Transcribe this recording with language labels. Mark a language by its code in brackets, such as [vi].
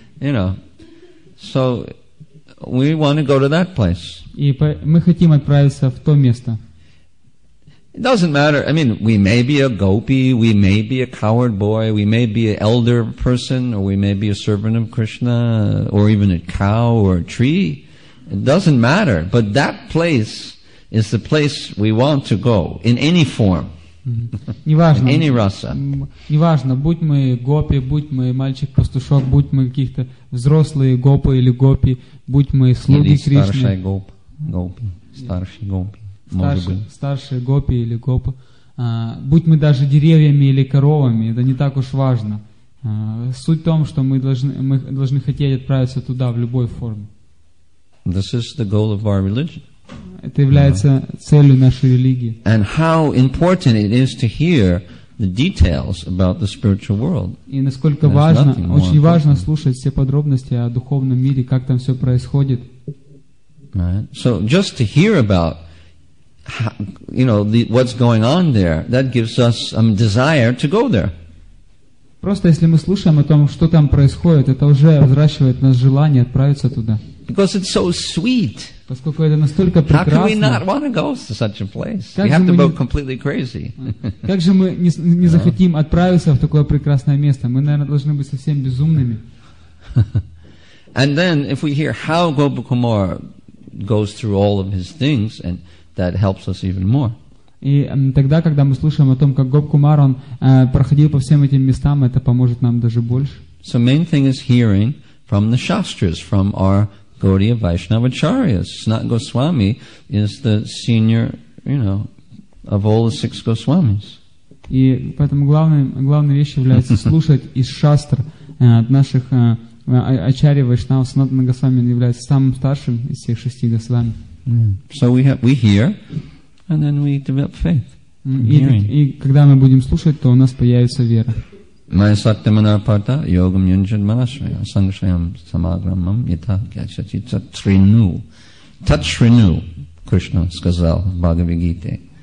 [en] You know, so we want to go to that place. [ru] И мы хотим отправиться в то место. [en] It doesn't matter. I mean, we may be a gopi, we may be a coward boy, we may be an elder person, or we may be a servant of Krishna, or even a cow or a tree. It doesn't matter. But that place is the place we want to go in any form. [ru] Неважно, будь мы гопи, будь мы мальчик-пастушок, будь мы каких-то взрослые гопы или гопи, будь мы слуги Кришны. Или старшая гопи. Старшие гопи или гопы. Будь мы даже деревьями или коровами, это не так уж важно. Суть в том, что мы должны хотеть отправиться туда в любой форме. [en] This is the goal of our religion. [ru] Это является целью нашей религии. [en] And how important it is to hear the details about the spiritual world. [ru] И насколько важно, очень важно слушать все подробности о духовном мире, как там все происходит. [en] Right. So just to hear about, how, you know, what's going on there, that gives us desire to go there. [ru] Просто если мы слушаем о том, что там происходит, это уже взращивает нас желание отправиться туда. [en] Because it's so sweet. [ru] Поскольку это настолько прекрасно. [en] How can we not want to go to such a place? We have to go completely crazy. [ru] Как же мы не захотим отправиться в такое прекрасное место? Мы, наверное, должны быть совсем безумными. [en] And then, if we hear how Gopa Kumar goes through all of his things, and that helps us even more. [ru] И тогда, когда мы слушаем о том, как Гопа Кумар он проходил по всем этим местам, это поможет нам даже больше. [en] So main thing is hearing from the shastras, from our Gaudiya Vaishnavacharyas. Snat Goswami is the senior, you know, of all the six Goswamis. [ru] И поэтому главной вещью является слушать из шастр наших Ачарьи Вайшнав. Снат Госвами является самым старшим из всех шести Госвами. [en] So we hear, and then we develop faith. [ru] И когда мы будем слушать, то у нас появится вера. [sa] Майя Саттиманапарта, Йогам Юнджин Манашрая, Сангшаям Самаграмам, Ита, Гячачица, Трину. [ru] Та Трину, Кришна сказал в Бхагавад-гите.